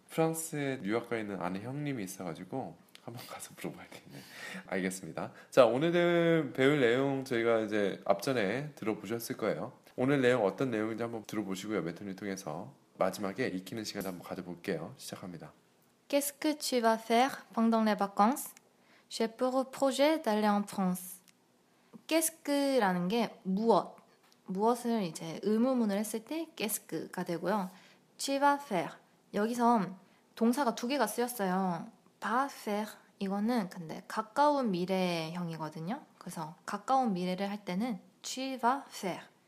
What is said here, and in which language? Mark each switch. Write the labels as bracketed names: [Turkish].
[Korean] 프랑스에 유학가 있는 아는 형님이 있어가지고 한번 가서 물어봐야겠네. 알겠습니다. 자, 오늘 배울 내용 저희가 이제 앞전에 들어보셨을 거예요. 오늘 내용 어떤 내용인지 한번 들어보시고요. 메토니를 통해서 마지막에 익히는 시간 한번 가져볼게요. 시작합니다. [French] Qu'est-ce que tu vas faire pendant les vacances? J'ai pour projet d'aller en France. Qu'est-ce que [Korean] 라는 게 무엇? 무엇을 이제 의문문을 했을 때 Qu'est-ce que가 되고요. [French] Tu vas faire. [Korean] 여기서 동사가 두 개가 쓰였어요. [French] Va faire [Korean] 이거는 근데 가까운 미래형이거든요. 그래서 가까운 미래를 할 때는 [French] Tu vas faire.